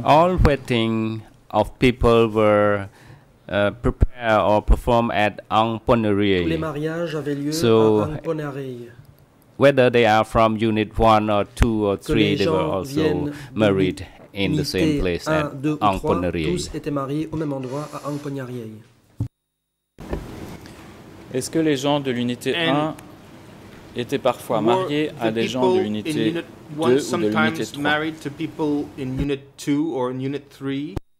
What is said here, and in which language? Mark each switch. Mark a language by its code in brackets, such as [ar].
[en] All weddings of people were prepare or perform at Angponari. [fr] Les mariages avaient lieu à Angponari. [en] whether they are from unit 1 or 2 or 3, they were also married in the same place at Ang Ponnerie. [fr] Tous étaient mariés au même endroit à Ang Ponnerie. Est-ce que les gens de l'unité 1 étaient parfois mariés à des gens de l'unité 2 ou de l'unité 3? [en] Sometimes married to people in unit 2 or in unit 3?